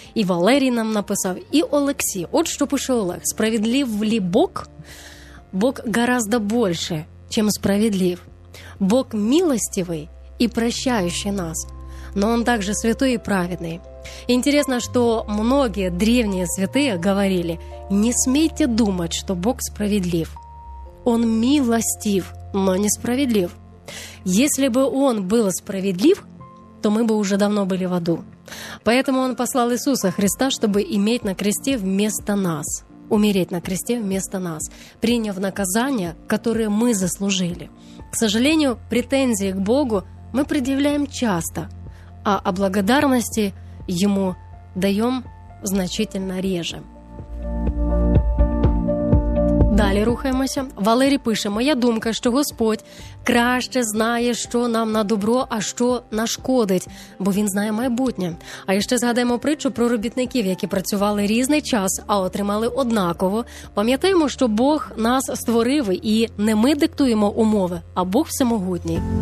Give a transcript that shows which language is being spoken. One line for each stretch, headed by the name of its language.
Ukrainian: І Валерій нам написав, і Олексій. От що пише Олег. Справедливий Бог, Бог гораздо більше, чим справедлив. Бог милостивий і прощающий нас.
Russian: Но он также святой и праведный. Интересно, что многие древние святые говорили: не смейте думать, что Бог справедлив. Он милостив, но не справедлив. Если бы он был справедлив, то мы бы уже давно были в аду. Поэтому он послал Иисуса Христа, чтобы иметь на кресте вместо нас, умереть на кресте вместо нас, приняв наказание, которое мы заслужили. К сожалению, претензии к Богу мы предъявляем часто, а о благодарности ему даем значительно реже.
Ukrainian: Далі рухаємося. Валерій пише: «Моя думка, що Господь краще знає, що нам на добро, а що нашкодить, бо Він знає майбутнє». А ще згадаємо притчу про робітників, які працювали різний час, а отримали однаково. Пам'ятаємо, що Бог нас створив, і не ми диктуємо умови, а Бог всемогутній.